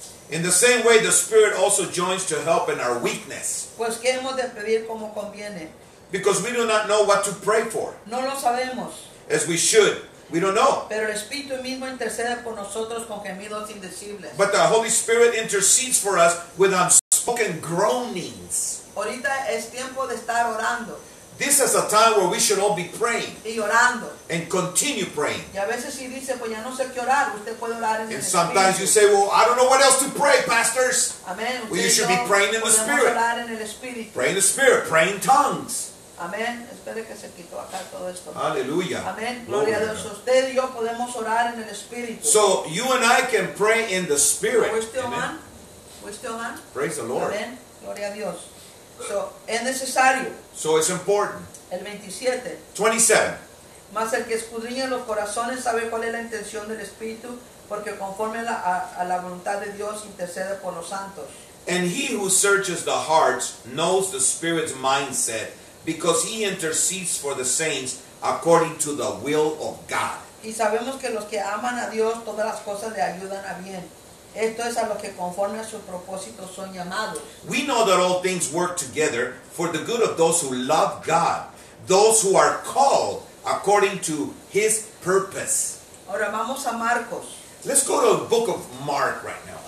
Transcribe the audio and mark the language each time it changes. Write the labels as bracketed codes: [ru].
[en] In the same way, the Spirit also joins to help in our weakness. [es] Pues que hemos de pedir como conviene. [en] Because we do not know what to pray for. [es] No lo sabemos. [en] As we should. We don't know. [es] Pero el Espíritu mismo intercede por nosotros con gemidos indecibles. [en] But the Holy Spirit intercedes for us with unspoken groanings. [es] Ahorita es tiempo de estar orando. [en] This is a time where we should all be praying. [es] Y orando. [en] And continue praying. [es] Y a veces si dice, pues ya no sé qué orar, usted puede orar en el [en] Espíritu. And sometimes you say, well, I don't know what else to pray, pastors. Amen. Well, you should be praying in the Spirit. [es] Podemos orar en el Espíritu. [en] Pray in the Spirit, pray in tongues. [es] Amén. Espere que se quitó acá todo esto. Aleluya. Amén. Gloria a Dios. Usted y yo podemos orar en el Espíritu. [en] So you and I can pray in the Spirit. ¿Cuestión man? Praise the Lord. [es] Amén. Gloria a Dios. So es necesario. [en] So it's important. [es] El 27. [en] 27. [es] Mas el que escudriña los corazones sabe cuál es la intención del Espíritu, porque conforme a la voluntad de Dios intercede por los santos. [en] And he who searches the hearts knows the Spirit's mindset, because he intercedes for the saints according to the will of God. [es] Y sabemos que los que aman a Dios, todas las cosas le ayudan a bien. Esto es a los que conforme a su propósito son llamados. [en] We know that all things work together for the good of those who love God, those who are called according to his purpose. [es] Ahora vamos a Marcos. [en] Let's go to the book of Mark right now.